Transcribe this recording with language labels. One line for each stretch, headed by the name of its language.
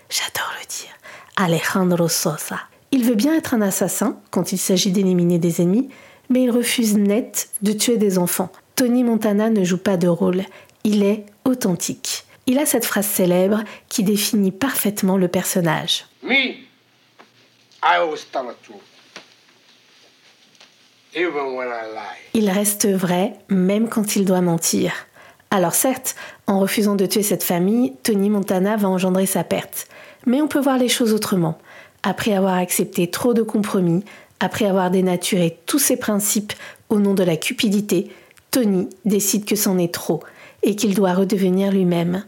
French: J'adore le dire, Alejandro Sosa. Il veut bien être un assassin quand il s'agit d'éliminer des ennemis, mais il refuse net de tuer des enfants. Tony Montana ne joue pas de rôle, il est authentique. Il a cette phrase célèbre qui définit parfaitement le personnage.
English: Me, I always tell the truth, even when I lie.
French: Il reste vrai, même quand il doit mentir. Alors certes, en refusant de tuer cette famille, Tony Montana va engendrer sa perte. Mais on peut voir les choses autrement. Après avoir accepté trop de compromis, après avoir dénaturé tous ses principes au nom de la cupidité, Tony décide que c'en est trop et qu'il doit redevenir lui-même.